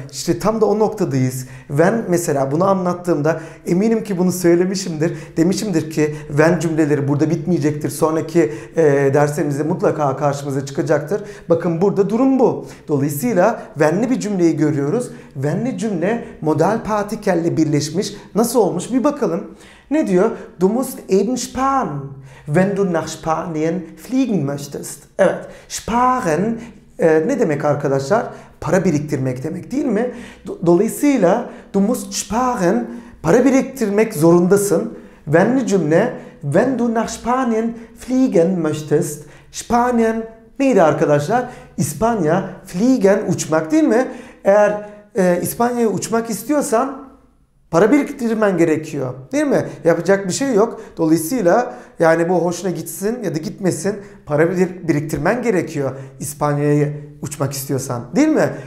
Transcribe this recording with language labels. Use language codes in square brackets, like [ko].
[tr] İşte tam da o noktadayız. When mesela bunu anlattığımda eminim ki bunu söylemişimdir. Demişimdir ki when cümleleri burada bitmeyecektir. Sonraki derslerimizde mutlaka karşımıza çıkacaktır. Bakın burada durum bu. Dolayısıyla when'li bir cümleyi görüyoruz. When'li cümle modal partikelle birleşmiş. Nasıl olmuş bir bakalım. Ne diyor? [de] Du musst eben sparen, wenn du nach Spanien fliegen möchtest. [tr] Evet, sparen ne demek arkadaşlar? Para biriktirmek demek, değil mi? Dolayısıyla [de] du musst sparen, [tr] para biriktirmek zorundasın. Wenn'li cümle, [de] wenn du nach Spanien fliegen möchtest. [tr] Spanien neydi arkadaşlar? İspanya, fliegen uçmak, değil mi? Eğer İspanya'ya uçmak istiyorsan Para biriktirmen gerekiyor, değil mi? Yapacak bir şey yok. Dolayısıyla yani bu hoşuna gitsin ya da gitmesin, para biriktirmen gerekiyor İspanya'ya uçmak istiyorsan, değil mi?